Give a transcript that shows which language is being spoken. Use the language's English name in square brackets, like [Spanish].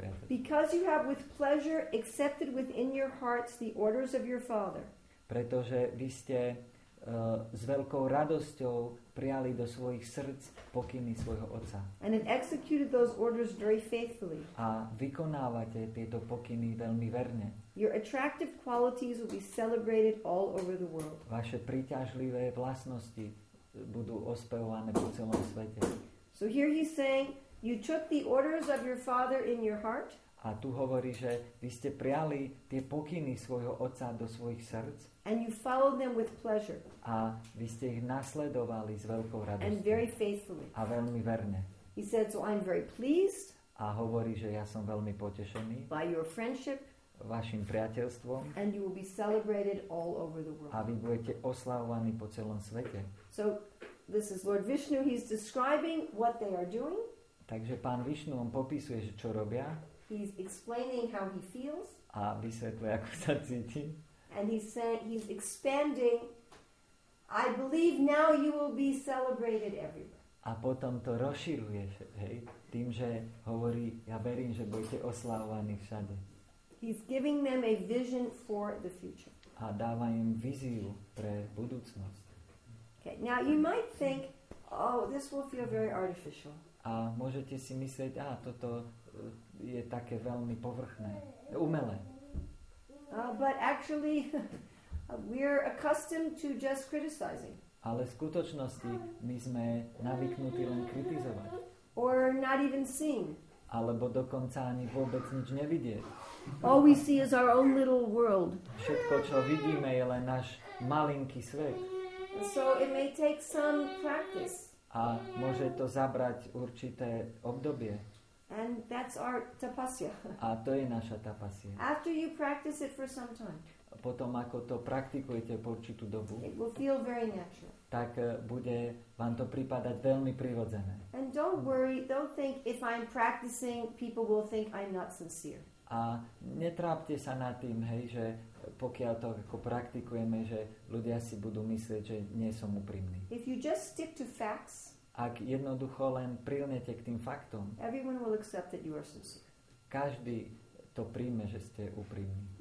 [English] Because you have with pleasure accepted within your hearts the orders of your father. [Slovak] Pretože vy ste s veľkou radosťou prijali do svojich srdc pokyny svojho otca. [English] And have executed those orders very faithfully. [Slovak] A vykonávate tieto pokyny veľmi verne. [English] Your attractive qualities will be celebrated all over the world. [Slovak] Vaše príťažlivé vlastnosti budú ospevované po celom svete. [English] So here he's saying, you took the orders of your father in your heart. [Slovak] A tu hovorí, že vy ste prijali tie pokyny svojho otca do svojich srdc. [English] And you followed them with pleasure. [Slovak] A vy ste ich nasledovali s veľkou radosťou. [English] And very faithfully. [Slovak] A veľmi verne. [English] He said, so I'm very pleased. [Slovak] A hovorí, že ja som veľmi potešený. [English] By your friendship. [Slovak] Vašim priateľstvom. [English] And you will be celebrated all over the world. [Slovak] A vy budete oslavovaní po celom svete. [English] So this is Lord Vishnu, he's describing what they are doing. [Slovak] Takže pán Vishnu on popisuje, že čo robia. [English] He's explaining how he feels. [Slovak] A vysvetľuje, ako sa cíti. [English] And he's saying, he's expanding. I believe now you will be celebrated everywhere. [Slovak] A potom to rozširuje, hej, tým, že hovorí, ja verím, že budete oslavovaní všade. [English] He's giving them a vision for the future. [Slovak] A dáva im víziu pre budúcnosť. [English] OK. Okay. Now you might think, oh, this will feel very artificial. [Slovak] A môžete si myslieť, ah, toto je také veľmi povrchné, umelé. [English] But actually, we're accustomed to just criticizing. [Slovak] Ale v skutočnosti my sme navyknutí len kritizovať. [English] Or not even seeing. [Slovak] Alebo dokonca ani vôbec nič nevidieť. [English] All we see is our own little world. [Slovak] Všetko, čo vidíme, je len náš malinký svet. [English] So it may take some practice. [Slovak] A môže to zabrať určité obdobie. [English] And that's our tapasya. [Slovak] A to je naša tapasya. [English] After you practice it for some time. [Slovak] Potom ako to praktikujete po určitú dobu. [English] It will feel very natural. [Slovak] Tak bude vám to pripadať veľmi prirodzené. [English] And don't worry, don't think if I'm practicing, people will think I'm not sincere. [Slovak] A netrápte sa nad tým, hej, že pokiaľ to ako praktikujeme, že ľudia si budú myslieť, že nie som úprimný. [English] If you just stick to facts, [Slovak] ak jednoducho len prilnete k tým faktom, [English] everyone will accept that you are sincere. [Slovak] Každý to príjme, že ste úprimní.